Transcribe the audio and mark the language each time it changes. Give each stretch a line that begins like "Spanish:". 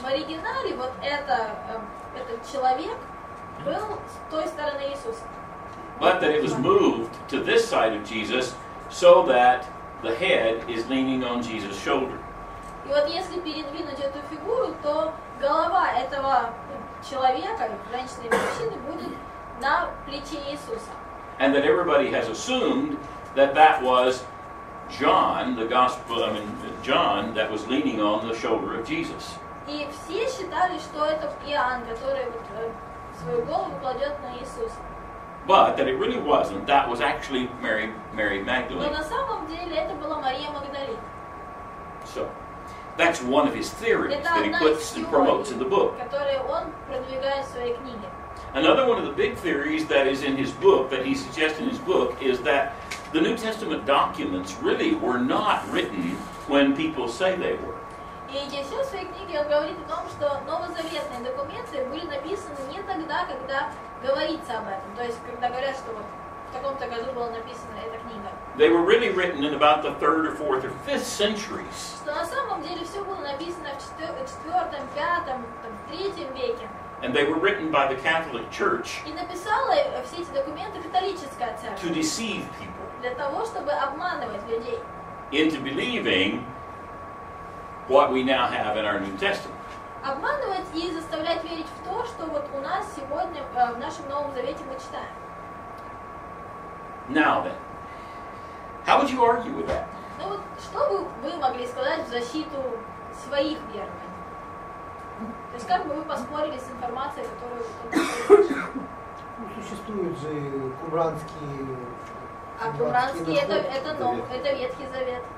Russian: В оригинале вот этот человек был с той стороны Иисуса.
English: But that it was moved to this side of Jesus so that the head is leaning on Jesus' shoulder.
Russian: И вот если передвинуть эту фигуру, то голова этого человека, женщины или мужчины, будет на плече Иисуса.
English: And that everybody has assumed that was John, the gospel, I mean, John, that was leaning on the shoulder of Jesus.
Russian: И все считали, что это Иоанн, который вот свою голову кладет на Иисуса.
English: But that it really wasn't. That was actually Mary Magdalene.
Russian: Но на самом деле это была Мария Магдалина.
English: So, that's one of his theories that he puts and promotes in the book.
Russian: Которые он продвигает в своей книге.
English: Another one of the big theories that is in his book, that he suggests in his book, is that the New Testament documents really were not written when people say they were.
Russian: И еще в своей книге он говорит о том, что новозаветные документы были написаны не тогда, когда говорится об этом. То есть, когда говорят, что вот в таком-то году была написана эта книга.
English: They were really written in about the 3rd or 4th or 5th centuries.
Russian: Что на самом деле все было написано в 4-м, 5-м, 3-м веке.
English: And they were written by the Catholic Church to deceive people,
Russian: для того, чтобы обманывать людей,
English: into believing what we now have in our New Testament.
Russian: обманывать и заставлять верить в то, что вот у нас сегодня в нашем Новом Завете мы читаем.
English: Now then, how would you argue with that?
Russian: Ну вот, что бы вы могли сказать в защиту своих верований? То есть как бы вы поспорили с информацией, которую вы Ну, существуют же кумранские... А кумранские это Ветхий Завет.